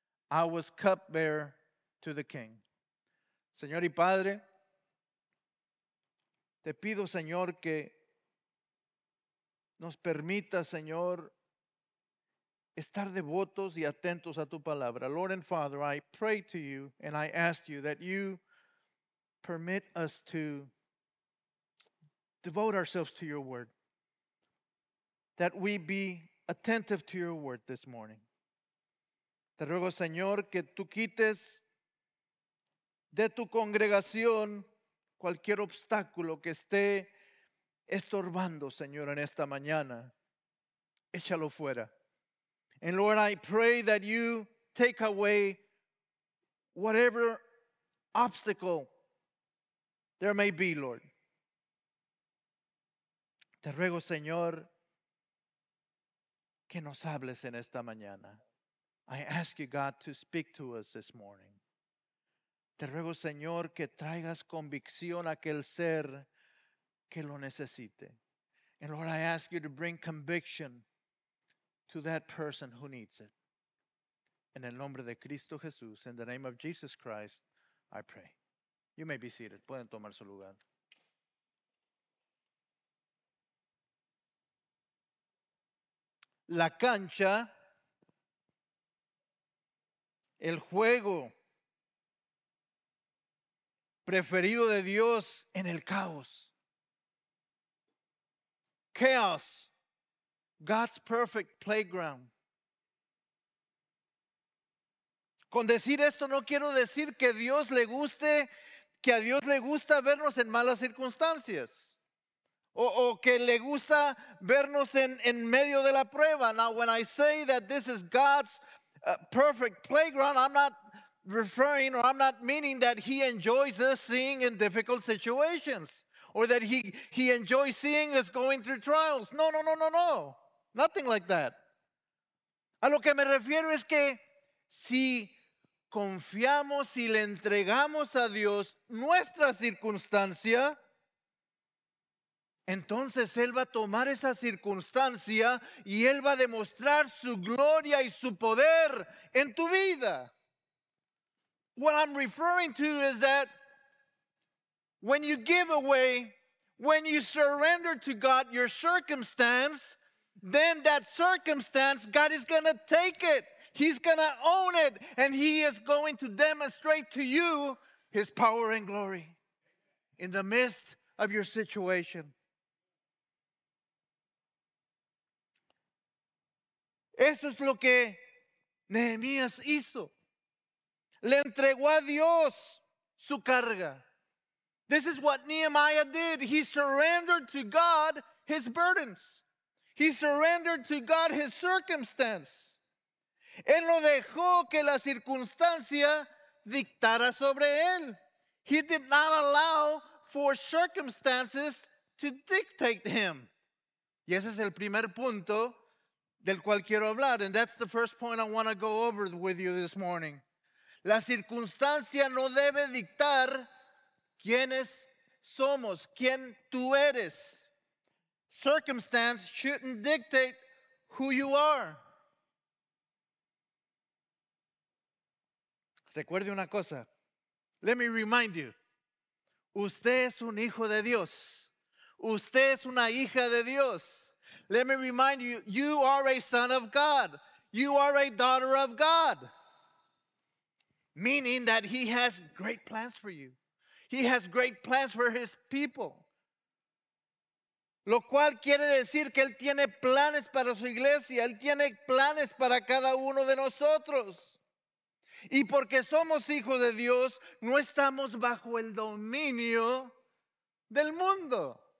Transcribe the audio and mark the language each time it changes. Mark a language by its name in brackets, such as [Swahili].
[English] I was cupbearer to the king. [Spanish] Señor y Padre, te pido, Señor, que nos permita, Señor, estar devotos y atentos a tu palabra. [English] Lord and Father, I pray to you and I ask you that you permit us to devote ourselves to your word. that we be attentive to your word this morning. [Spanish] Te ruego, Señor, que tú quites de tu congregación cualquier obstáculo que esté estorbando, Señor, en esta mañana. Échalo fuera. [English] And Lord, I pray that you take away whatever obstacle there may be, Lord. [Spanish] Te ruego, Señor, que nos hables en esta mañana. [English] I ask you, God, to speak to us this morning. [Spanish] Te ruego, Señor, que traigas convicción a aquel ser que lo necesite. [English] And Lord, I ask you to bring conviction to that person who needs it. [Spanish] En el nombre de Cristo Jesús, [English] in the name of Jesus Christ, I pray. You may be seated. [Spanish] Pueden tomar su lugar. La cancha, el juego preferido de Dios en el caos. [English] Chaos, God's perfect playground. [Spanish] Con decir esto no quiero decir que Dios le guste, que a Dios le gusta vernos en malas circunstancias. O que le gusta vernos en medio de la prueba. [English] Now, when I say that this is God's perfect playground, I'm not referring or I'm not meaning that he enjoys us seeing in difficult situations or that he enjoys seeing us going through trials. No. Nothing like that. [Spanish] A lo que me refiero es que si confiamos y le entregamos a Dios nuestra circunstancia, entonces Él va a tomar esa circunstancia y Él va a demostrar su gloria y su poder en tu vida. [English] What I'm referring to is that when you give away, when you surrender to God your circumstance, then that circumstance, God is going to take it. He's going to own it. And He is going to demonstrate to you His power and glory in the midst of your situation. [Spanish] Eso es lo que Nehemías hizo. Le entregó a Dios su carga. [English] This is what Nehemiah did. He surrendered to God his burdens. He surrendered to God his circumstance. [Spanish] Él no dejó que la circunstancia dictara sobre él. [English] He did not allow for circumstances to dictate him. [Spanish] Y ese es el primer punto del cual quiero hablar, [English] and that's the first point I want to go over with you this morning. [Spanish] La circunstancia no debe dictar quiénes somos, quién tú eres. [English] Circumstance shouldn't dictate who you are. [Spanish] Recuerde una cosa. [English] Let me remind you. [Spanish] Usted es un hijo de Dios. Usted es una hija de Dios. [English] Let me remind you, you are a son of God. You are a daughter of God. Meaning that he has great plans for you. He has great plans for his people. [Spanish] Lo cual quiere decir que él tiene planes para su iglesia. Él tiene planes para cada uno de nosotros. Y porque somos hijos de Dios, no estamos bajo el dominio del mundo.